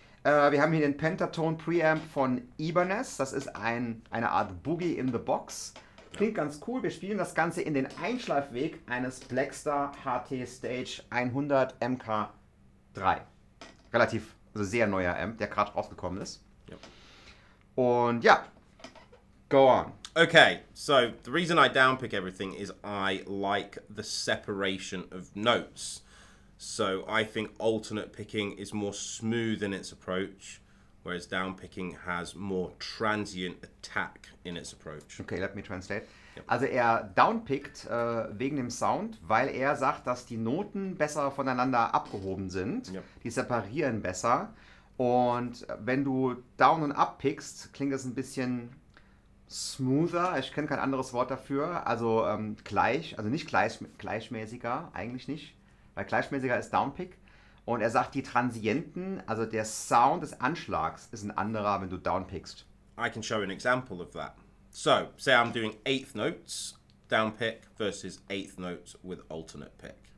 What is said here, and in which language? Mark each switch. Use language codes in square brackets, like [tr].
[de] Wir haben hier den Pentatone Preamp von Ibanez. Das ist eine Art Boogie in the Box. Klingt ganz cool. Wir spielen das Ganze in den Einschleifweg eines Blackstar HT Stage 100 MK3. Relativ, also sehr neuer Amp, der gerade rausgekommen ist. [en] Yep. [de] Und ja, go on. [en] Okay, so the reason I downpick everything is I like the separation of notes. So I think alternate picking is more smooth in its approach, whereas downpicking has more transient attack in its approach. Okay, let me translate. Yep. [de] Also er downpickt wegen dem Sound, weil er sagt, dass die Noten besser voneinander abgehoben sind. [en] Yep. [de] Die separieren besser. Und wenn du down und up pickst, klingt es ein bisschen smoother. Ich kenne kein anderes Wort dafür. Also gleich, also nicht gleichmäßiger, eigentlich nicht. Weil gleichmäßiger ist Downpick. Und er sagt, die Transienten, also der Sound des Anschlags, ist ein anderer, wenn du downpickst. [en] I can show an example of that. So, say I'm doing eighth notes downpick versus eighth notes with alternate pick.